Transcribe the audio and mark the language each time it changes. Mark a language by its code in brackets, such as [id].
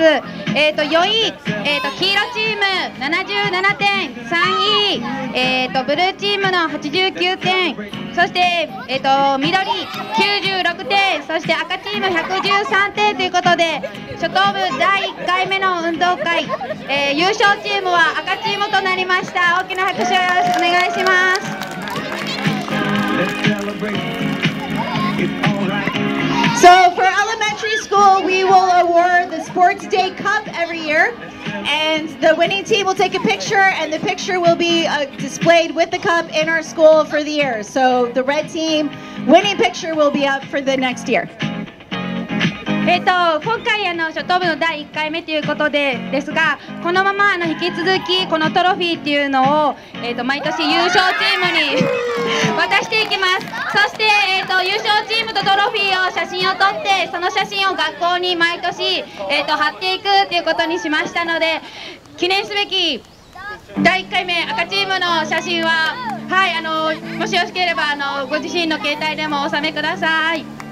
[ja] 4位、黄色チーム77点、3位、ブルーチームの89点、そして、緑96点、そして赤チーム113点ということで、初等部第1回目の運動会、優勝チームは赤チームとなりました。大きな拍手をよろしくお願いします。 [en] So for elementary school, we will award the Sports Day Cup every year, and the winning team will take a picture, and the picture will be displayed with the cup in our school for the year. So the red team winning picture will be up for the next year. [ja] 今回初等部の第1回目ということでですが、このまま引き続きこのトロフィーっていうのを毎年優勝チームに渡していきます。そして優勝チームとトロフィーを写真を撮って、その写真を学校に毎年貼っていくということにしましたので、記念すべき第1回目赤チームの写真は、はい、もしよろしければご自身の携帯でもお納めください。